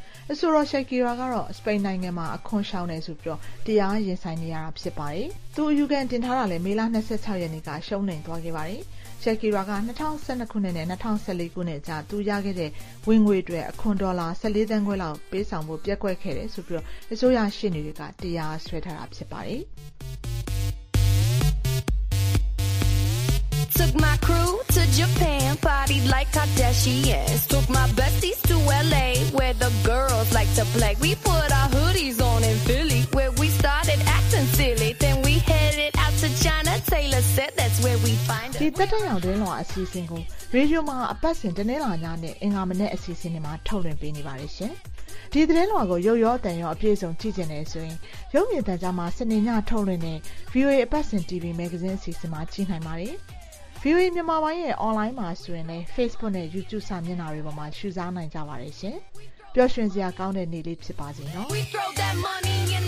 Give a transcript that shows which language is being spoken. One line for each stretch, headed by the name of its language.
Burmese: အဆိုတော့ရှက်ကီရာကတော့စပိန်နိုင်ငံမှာအခွန်ရှောင်းနေဆိုပြီးတော့တရားရင်ဆိုင်နေရတာဖြစ်ပါတယ်သူအယူခံတင်ထားတာလည်းမေလ26ရက်နေ့ကရှုံးနိမ်သွားခဲ့ပါတယ်ရှက်ကီရာက2012ခုနှစ်နဲ့2014ခုနှစ်ကြာသူရခဲ့တဲ့ဝင်ငွေအတွက်အခွန်ဒေါ်လာ14သန်းခွဲလောက်ပေးဆောင်ဖို့ပြက်ကွက်ခဲ့တယ်ဆိုပြီးတော့အစိုးရရှေ့နေတွေကတရားဆွဲထားတာဖြစ်ပါတယ်
English: Took my crew to Japan, partied like Kardashians. Took my besties to LA, where the girls like to play. We put our hoodies on in Philly, where we started acting silly. Then we headed out to China, Taylor said that's where we find it.
Burmese: ဒီတက်တဲ့ရောင်းအစီအစဉ်ကိုရေဒီယိုမှာအပတ်စဉ်တနင်္လာညနဲ့အင်္ဂါမနေ့အစီအစဉ်တွေမှာထုတ်လွှင့်ပေးနေပါတယ်ရှင်ဒီသတင်းလောကိုရုပ်ရောတန်ရောအပြည့်စုံကြည့်ကြနေဆိုရင်ရုပ်မြင်သံကြားမှာစနေညထုတ်လွှင့်တဲ့ VOA အပတ်စဉ် TV မဂ္ဂဇင်းအစီအစဉ်မှာကြည့်နိုင်ပါတယ်။ VOA မြန်မာပိုင်းရဲ့ online မှာဆိုရင်လည်း Facebook နဲ့ YouTube စာမျက်နှာတွေပေါ်မှာရှုစားနိုင်ကြပါတယ်ရှင်။ပျော်ရွှင်စရာကောင်းတဲ့နေ့လေးဖြစ်ပါစေနော